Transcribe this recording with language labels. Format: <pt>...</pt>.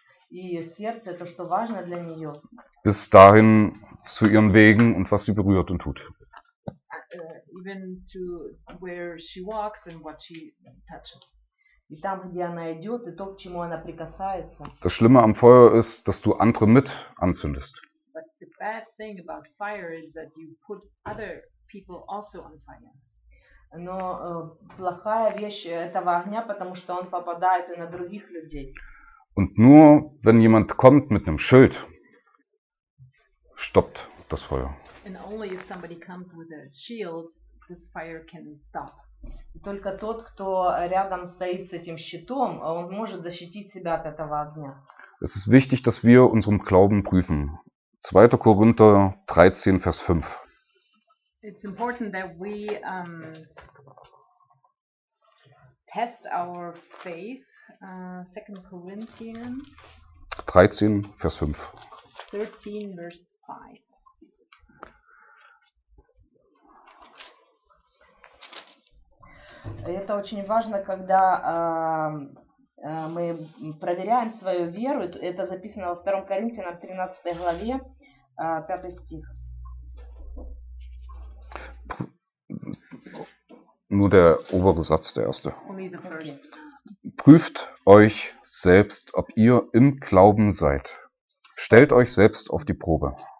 <ru>Ее сердце, то, что важно для нее.</ru> <de>Bis dahin zu ihren Wegen und was sie berührt und tut.</de> <en>Even to where she walks and what she touches.</en> <ru>И там, где она идет, и то, к чему она прикасается.</ru> <de>Das Schlimme am Feuer ist, dass du andere mit anzündest.</de> <en>But the bad thing about fire is that you put other people also on fire.</en> <ru>Но плохая вещь этого огня, потому что он попадает и на других людей.</ru> <de>Und nur wenn jemand kommt mit einem Schild, stoppt das Feuer.</de> <en>And only if somebody comes with a shield, this fire can stop.</en> <ru>Только тот, кто рядом стоит с этим щитом, он может защитить себя от этого огня.</ru> <de>Es ist wichtig, dass wir unseren Glauben prüfen. 2. Korinther 13, Vers 5.</de> <en>It's important that we test our faith. 2. Korinthians</en> <de>13, Vers 5. 13, Vers 5.</de> <ru>Это очень важно, когда мы проверяем свою веру. Это записано во 2 Коринфянам 13 главе, 5 стих.</ru> <de>Nur der obere Satz, der erste.</de> <en>Only the first.</en> <de>Prüft euch selbst, ob ihr im Glauben seid. Stellt euch selbst auf die Probe.</de>